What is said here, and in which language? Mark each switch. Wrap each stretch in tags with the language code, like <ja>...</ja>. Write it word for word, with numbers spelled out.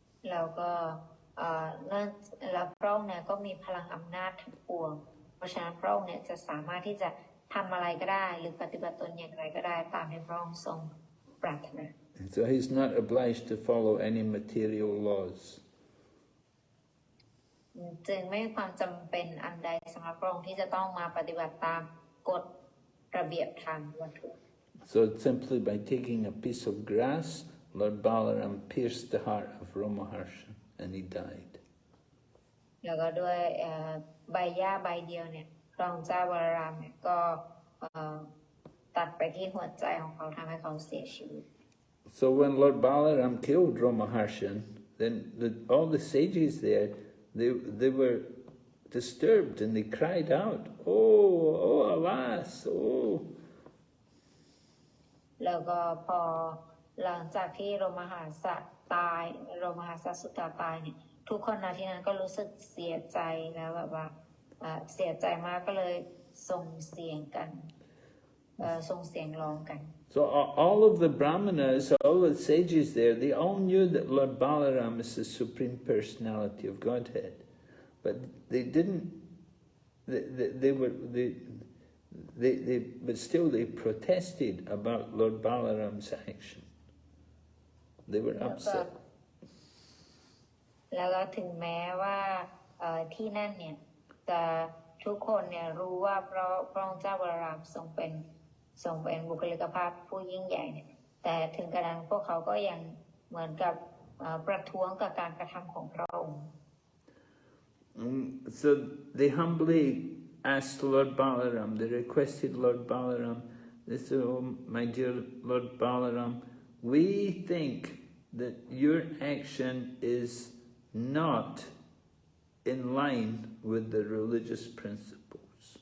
<th>แล้วก็เอ่อเนื่องแล้วพระองค์เนี่ยก็มีพลังอำนาจทั้งปวง เพราะฉะนั้นพระองค์เนี่ยจะสามารถที่จะทำอะไรก็ได้ หรือปฏิบัติตนอย่างไรก็ได้ตามที่พระองค์ทรงปรารถนา</th> <en>And so he's not obliged to follow any material laws.</en> <th>จึงไม่มีความจำเป็นอันใดสำหรับพระองค์ที่จะต้องมาปฏิบัติตามกฎระเบียบทางวัตถุ</th> <en>So simply by taking a piece of grass, Lord Balaram pierced the heart of Ramaharsha and he died.</en> <th>แล้วก็ด้วยเอ่อใบหญ้าใบเดียวเนี่ยพระองค์เจ้าวรารามเนี่ยก็เอ่อตัดไปที่หัวใจของเขาทำให้เขาเสียชีวิต</th> <en>So when Lord Balaram killed Ramaharshan, then the, all the sages there, they, they were disturbed and they cried out, "Oh, oh, alas, oh."</en> <th>แล้วก็พอหลังจากที่โรมหาสะตายโรมหาสะสุตาตายเนี่ยทุกคนนาทีนั้นก็รู้สึกเสียใจแล้วแบบว่าเอ่อเสียใจมากก็เลยส่งเสียงกันเอ่อส่งเสียงร้องกัน</th> <en>So a- all of the brahmanas, all the sages there, they all knew that Lord Balaram is the Supreme Personality of Godhead, but they didn't. They, they, they were they, they, they, but still they protested about Lord Balaram's action. They were upset.</en> <th>แล้วก็ถึงแม้ว่าเอ่อที่นั่นเนี่ยจะทุกคนเนี่ยรู้ว่าพระพระองค์เจ้าบารารามทรงเป็นทรงเป็นบุคลิกภาพผู้ยิ่งใหญ่เนี่ยแต่ถึงกระนั้นพวกเขาก็ยังเหมือนกับเอ่อประท้วงกับการกระทำของพระองค์</th> <en>Mm, So they humbly asked Lord Balaram, they requested Lord Balaram, they said, "Oh, my dear Lord Balaram, we think that your action is not in line with the religious principles.</en>